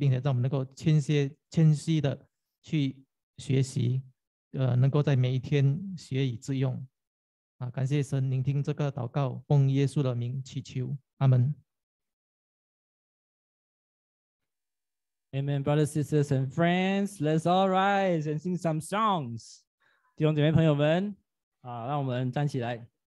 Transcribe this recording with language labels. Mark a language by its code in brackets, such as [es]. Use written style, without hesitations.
[zh] 我们现在呢，生活在这里的我们的疫情仍然存在，求父神你保守着我们的生活呢，能够平安健康，那些有病痛的弟兄姐妹呢，能够可以得到有效的医治。感谢神带领着今天的机会，并且保守接下来的传道能够带给我们信息，并且让我们能够谦虚的去。学习，能够在每一天学以致用，感谢神聆听这个祷告，奉耶稣的名祈求，阿门。 [en] Amen, brothers, sisters, and friends. Let's all rise and sing some songs. [zh] 弟兄姐妹朋友们，让我们站起来。